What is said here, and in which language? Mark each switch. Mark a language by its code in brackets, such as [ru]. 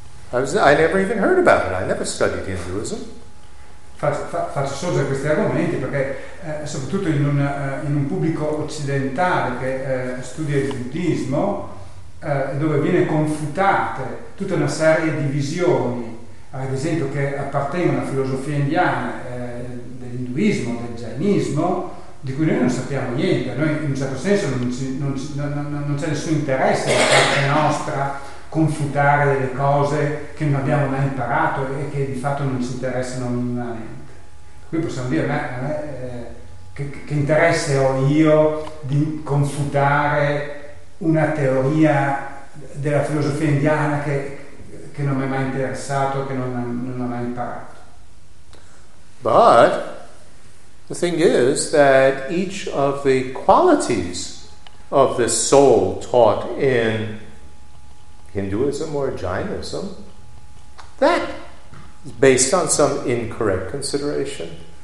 [en] I never even heard about it. I never studied Hinduism. [it] Faccio sorgere questi argomenti perché soprattutto in un pubblico occidentale che studia il buddismo, dove viene confutate tutta una serie di visioni, ad esempio che appartengono alla filosofia indiana, dell'induismo, del jainismo, di cui noi non sappiamo niente, noi in un certo senso non c'è nessun interesse da parte nostra confutare delle cose che non abbiamo mai imparato e che di fatto non ci interessano minimamente. Qui possiamo dire, che interesse ho io di confutare una teoria della filosofia indiana che non mi è mai interessato, che non ho mai imparato. [en] But The thing is that each of the qualities of the soul taught in Hinduism or Jainism, that is based on some incorrect consideration.